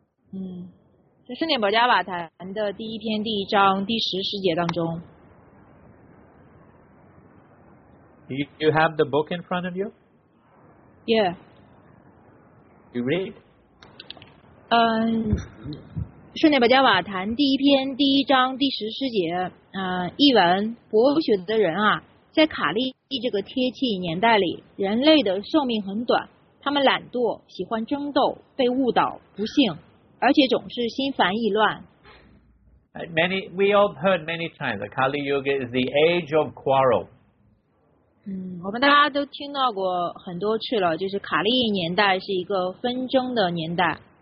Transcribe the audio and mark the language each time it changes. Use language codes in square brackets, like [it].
[zh] 这是《舍利弗加瓦坛》的第一篇第一章第十诗节当中。 [en] You have the book in front of you? Yeah. You read? [zh] 《舍利弗加瓦坛》第一篇第一章第十诗节，译文：博学的人啊，在卡利这个贴气年代里，人类的寿命很短，他们懒惰，喜欢争斗，被误导，不幸，而且总是心烦意乱。 [en] We all heard many times that Kali Yuga is the age of quarrel. [zh] 我们大家都听到过很多次了，就是卡利年代是一个纷争的年代。